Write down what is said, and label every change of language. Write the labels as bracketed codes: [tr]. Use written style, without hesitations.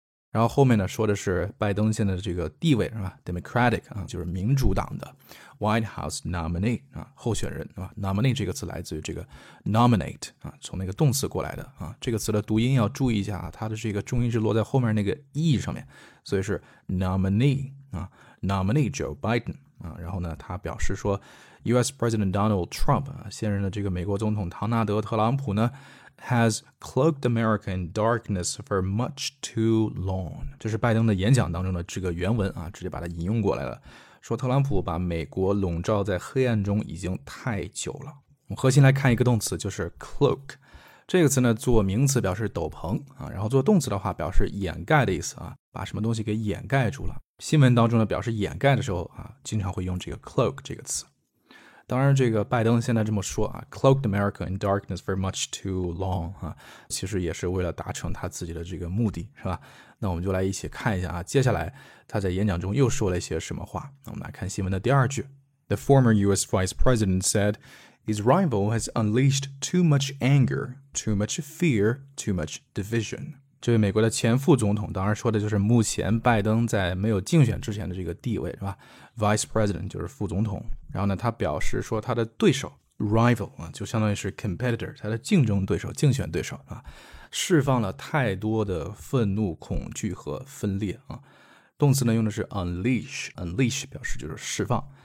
[zh] 然后后面呢说的是拜登现在的这个地位是吧 ？Democratic 啊，就是民主党的 [en] White House nominee [zh] 啊，候选人啊 ，nominee 这个词来自于这个 nominate 啊，从那个动词过来的啊。这个词的读音要注意一下啊，它的这个重音是落在后面那个 e 上面，所以是 nominee 啊 ，nominee Joe Biden 啊。然后呢，他表示说 ，U.S. [en] President Donald Trump [zh] 啊，现任的这个美国总统唐纳德·特朗普呢。 [en] Has cloaked America in darkness for much too long. [zh] 这是拜登的演讲当中的这个原文啊，直接把它引用过来了。说特朗普把美国笼罩在黑暗中已经太久了。我们核心来看一个动词，就是 cloak。这个词呢，做名词表示斗篷啊，然后做动词的话表示掩盖的意思啊，把什么东西给掩盖住了。新闻当中呢，表示掩盖的时候啊，经常会用这个 cloak 这个词。当然这个拜登现在这么说啊 [en] cloaked America in darkness for much too long [zh] 啊，其实也是为了达成他自己的这个目的是吧，那我们就来一起看一下啊，接下来他在演讲中又说了一些什么话。那我们来看新闻的第二句。 [en] The former US Vice President said, his rival has unleashed too much anger, too much fear, too much division. [zh] 这位美国的前副总统当然说的就是目前拜登在没有竞选之前的这个地位是吧， Vice President 就是副总统。然后呢他表示说他的对手 rival 啊，就相当于是 competitor 他的竞争对手竞选对手啊，释放了太多的愤怒恐惧和分裂啊。动词呢用的是 unleash， unleash 表示就是释放。